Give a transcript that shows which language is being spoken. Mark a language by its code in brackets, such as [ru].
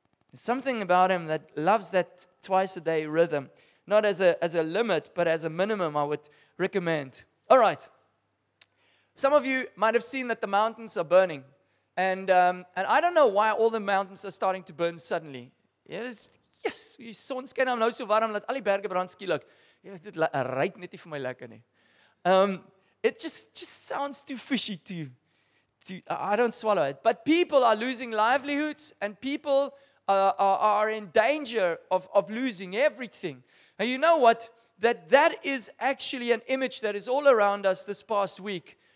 [en] There's something about him that loves that twice a day rhythm, not as a limit, but as a minimum, I would recommend. All right. Some of you might have seen that the mountains are burning. And I don't know why all the mountains are starting to burn suddenly. Yes, we saw in Scandinavia, [af] nou so warm dat al die berge brand skielik. Dit ruik net nie vir my lekker nie. [en] It just sounds too fishy I don't swallow it. But people are losing livelihoods and people are in danger of losing everything. And you know what? That is actually an image that is all around us this past week.